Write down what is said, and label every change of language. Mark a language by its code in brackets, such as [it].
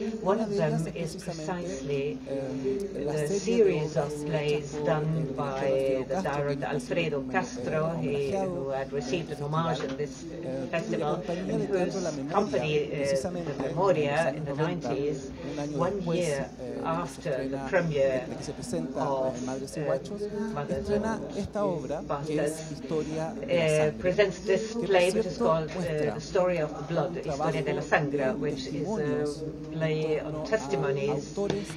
[en] One of them is precisely the series of plays done by the director Alfredo Castro, who had received an homage at this festival, and whose company, the Memoria, in the 90s, 1 year after the premiere of [es] Madres y Guachos, estrena esta obra que es Historia de la Sangre, [en] presents this play which is called The Story of the Blood, Historia de la Sangre, which is a play on testimonies of